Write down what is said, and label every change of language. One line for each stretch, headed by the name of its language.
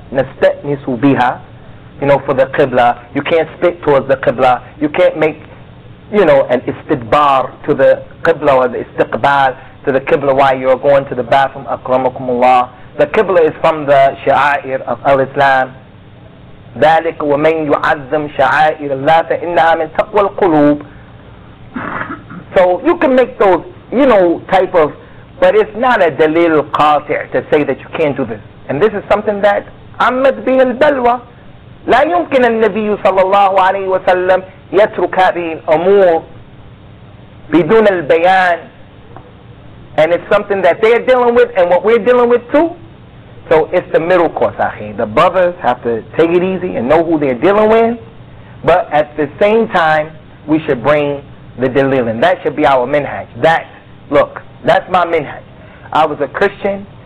English: Nastitnisu biha, you know, for the qibla. You can't spit towards the qibla. You can't make, you know, an istidbar to the qibla or the istiqbal to the qibla while you're going to the bathroom, akramakumullah. The qibla is from the sha'air of al-Islam.
Arabic: ذلك ومن يعظم شعائر الله فإنها من تقوى القلوب.
English: So you can make those, you know, type of, but it's not a dalil qati' to say that you can't do this. And this is something that
Arabic: عمت به البلوى. لا يمكن النبي صلى الله عليه وسلم يترك هذه الأمور بدون البيان.
English: And it's something that they are dealing with and what we're dealing with too. So it's the middle course, akhi. The brothers have to take it easy and know who they're dealing with. But at the same time, we should bring the dalil. That should be our minhaj. That, look, that's my minhaj. I was a Christian.